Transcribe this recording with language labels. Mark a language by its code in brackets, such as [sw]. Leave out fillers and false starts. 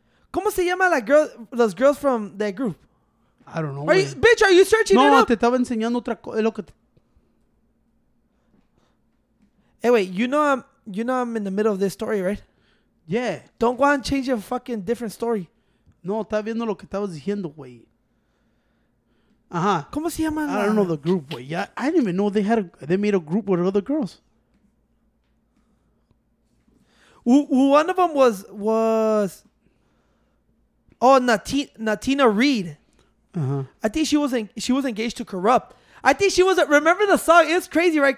[es] ¿Cómo se llama la [en] girl, those girls from that group? I don't know. Are you, bitch, are you searching no, it up? [es] No, te estaba enseñando otra cosa. Es lo que [en] hey, wait, you know I'm in the middle of this story, right? Yeah. Don't go and change your fucking different story. [es] No, está viendo lo que estabas diciendo, güey. Ajá. ¿Cómo se llama? [en] I don't know the group, güey. Yeah, I didn't even know they had they made a group with other girls. One of them was oh Natina Reed. Uh-huh. I think she was engaged to Corrupt. I think she was remember the song. It's crazy, right?